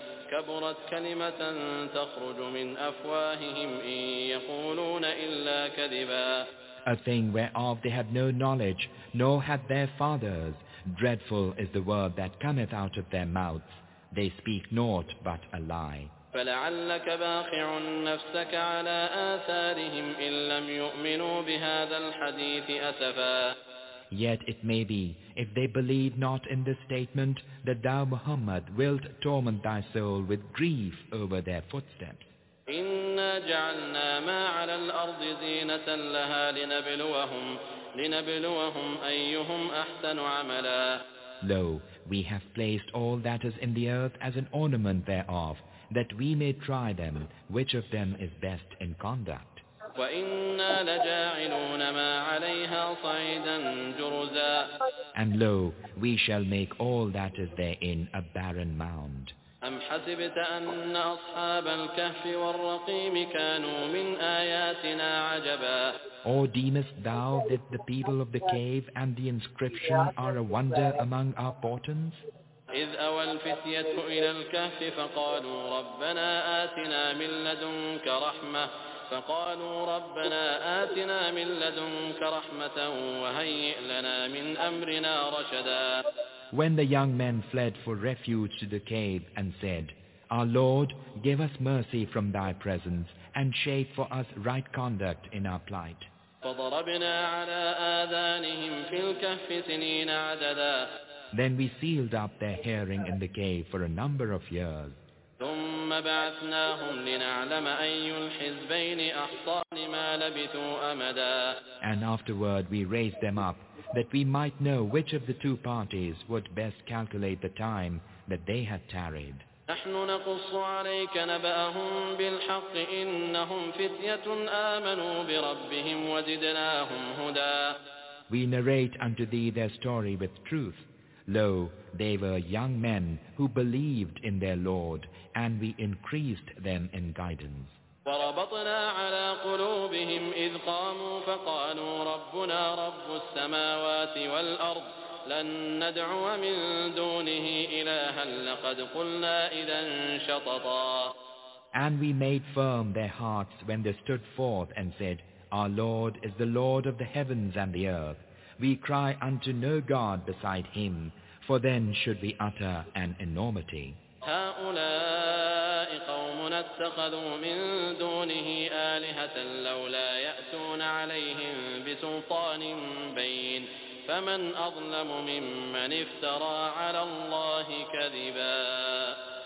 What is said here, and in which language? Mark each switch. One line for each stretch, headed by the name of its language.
Arabic: كبرت كلمة تخرج من أفواههم إن يقولون إلا كذبا.
English: A thing whereof they have no knowledge, nor had their fathers. Dreadful is the word that cometh out of their mouths. They speak naught but a lie.
Arabic: فلعلك باخع نفسك على آثارهم إن لم يؤمنوا بهذا الحديث أسفا.
English: Yet it may be, if they believe not in this statement, that thou, Muhammad, wilt torment thy soul with grief over their footsteps.
Arabic: إِنَّا جَعَلْنَا مَا عَلَى الْأَرْضِ زِينَةً لَهَا لِنَبْلُوَهُمْ أَيُّهُمْ أَحْسَنُ عَمَلًا.
English: Lo, we have placed all that is in the earth as an ornament thereof, that we may try them, which of them is best in conduct.
Arabic: وَإِنَّا لَجَاعِلُونَ مَا عَلَيْهَا صَعِيدًا جُرُزًا.
English: And lo, we shall make all that is therein a barren mound.
Arabic: أَمْ حَسِبْتَ أَنَّ أَصْحَابَ الْكَهْفِ وَالرَّقِيمِ كَانُوا مِنْ آيَاتِنَا عَجَبًا.
English: Or deemest thou that the people of the cave and the inscription are a wonder among our portents?
Arabic: إذ أوى الفتية إلى الكهف فقالوا ربنا آتنا من لدنك رحمة فقالوا ربنا آتنا من لدنك رحمة وهيئ لنا من أمرنا رشدا.
English: When the young men fled for refuge to the cave and said, Our Lord, give us mercy from thy presence and shape for us right conduct in our plight.
Arabic: فضربنا على آذانهم في الكهف سنين عددا.
English: Then we sealed up their hearing in the cave for a number of years.
Arabic: ثم بعثناهم لنعلم أي الحزبين أحصى لما لبثوا أمدا.
English: And afterward we raised them up that we might know which of the two parties would best calculate the time that they had tarried.
Arabic: نحن نقص عليك نبأهم بالحق إنهم فتية آمنوا بربهم وزدناهم هدى.
English: We narrate unto thee their story with truth. Lo, they were young men who believed in their Lord, and we increased them in guidance.
Arabic: وربطنا على قلوبهم إذ قاموا فقالوا ربنا رب السماوات والأرض لن ندعو من دونه إلها لقد قلنا إذا شططا.
English: And we made firm their hearts when they stood forth and said, Our Lord is the Lord of the heavens and the earth. We cry unto no God beside him, for then should we utter an enormity.
Arabic: هؤلاء قومنا اتخذوا من دونه آلهة لولا يأتون عليهم بسلطان بين فمن أظلم ممن افترى على الله كذبا.